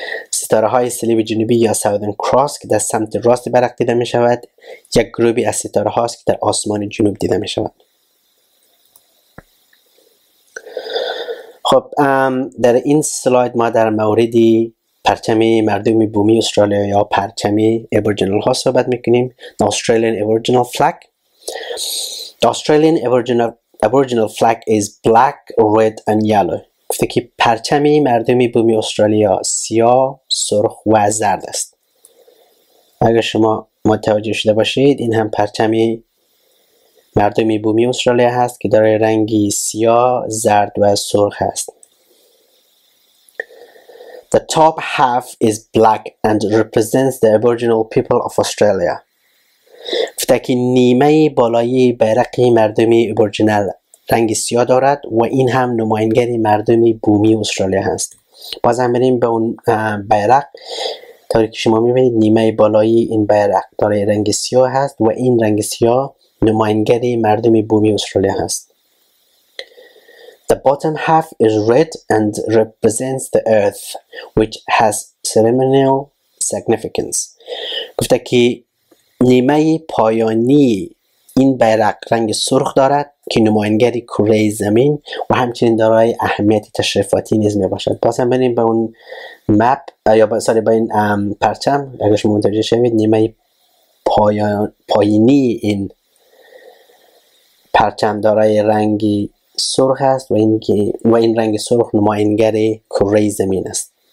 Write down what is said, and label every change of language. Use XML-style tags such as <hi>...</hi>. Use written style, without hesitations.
<fa>ستاره های صلیب جنوبی یا southern cross که در سمت راست برق دیده می شود یک گروهی از ستاره هاست که در آسمان جنوب دیده می شود. خب در این سلاید ما در موردی پرچم مردم بومی استرالیا یا پرچم ابرجنال ها صحبت میکنیم.</fa> <en>The Australian Aboriginal Flag. The Australian Aboriginal Flag is black, red and yellow.</en> <fa>گفته که پرچم مردم بومی استرالیا سیاه، سرخ و زرد است. اگر شما متوجه شده باشید این هم پرچم مردم بومی استرالیا هست که داره رنگی سیاه، زرد و سرخ است.</fa> <en>The top half is black and represents the Aboriginal people of Australia.</en> <fa>گفته که نیمه بالایی برق مردم ابرجنال رنگ سیاه دارد و این هم نماینگر مردم بومی استرالیا هست. بازم بریم به اون برق. طوری که شما میبینید نیمه بالایی این برق داره رنگ سیاه هست و این رنگ سیاه نماینگر مردم بومی استرالیا هست.</fa> <en>The bottom half is red and represents the earth, which has ceremonial significance.</en> <fa>گفته که نیمه پایانی این برق رنگ سرخ دارد که نماینگری کره زمین و همچنین دارای اهمیت تشریفاتی نیز می باشد. باز هم بریم به اون مپ یا سالی به این پرچم. اگر شما متوجه شوید نیمه پایینی این پرچم دارای رنگی سرخ است و این رنگ سرخ نماینگر کره زمین است.</fa>